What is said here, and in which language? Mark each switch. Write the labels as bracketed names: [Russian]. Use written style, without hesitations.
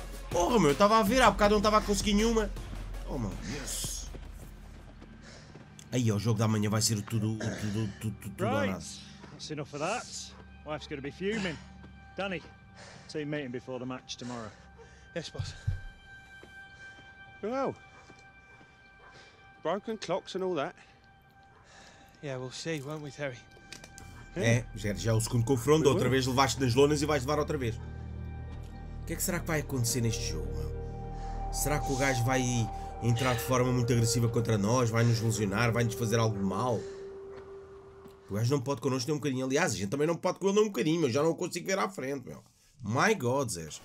[Portuguese] Porra, meu, eu estava a ver. Há bocado não estava a conseguir nenhuma. Oh, meu Deus. Aí, o jogo da manhã vai ser tudo [English] right. That's enough of that. Wife's going to be fuming. Danny, team meeting before the match tomorrow. Yes, boss. Well, broken clocks and all that. Yeah, we'll see, won't we, Terry? [Portuguese] Já é o segundo confronto. Outra vez levaste nas lonas e vais levar outra vez. O que é que será que vai acontecer neste jogo? Será que o gajo vai entrar de forma muito agressiva contra nós, vai nos lesionar, vai nos fazer algo mal? O gajo não pode connosco nem um bocadinho. Aliás, a gente também não pode com ele nem um bocadinho, mas já não consigo ver à frente, meu. [English] My God, [Portuguese] Zé.